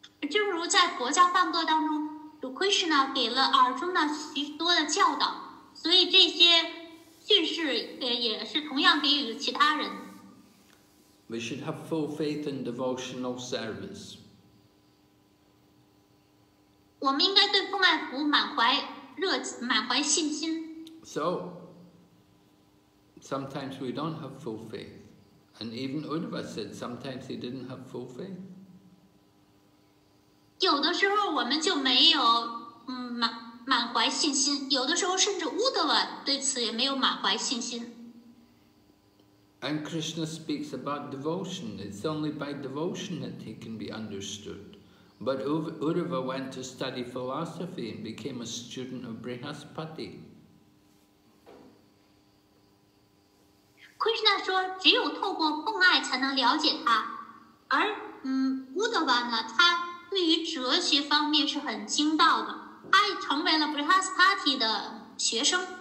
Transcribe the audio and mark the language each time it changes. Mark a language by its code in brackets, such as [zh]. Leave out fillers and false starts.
[zh] 就如在佛教梵歌当中，主 Krishna 给了 Arjuna 许多的教导，所以这些训示也是同样给予其他人。 [en] We should have full faith in devotional service. [zh] 我们应该对奉爱服务满怀信心。 [en] So, sometimes we don't have full faith. And even Uddhava said sometimes he didn't have full faith. [zh] 有的时候我们就没有满怀信心，有的时候甚至乌德瓦对此也没有满怀信心。 [en] And Krishna speaks about devotion. It's only by devotion that he can be understood. But Uddhava went to study philosophy and became a student of Brihaspati. [zh] Krishna 说只有透过奉爱才能了解他，而Uddhava 呢，他对于哲学方面是很精到的，他成为了 Brihaspati 的学生。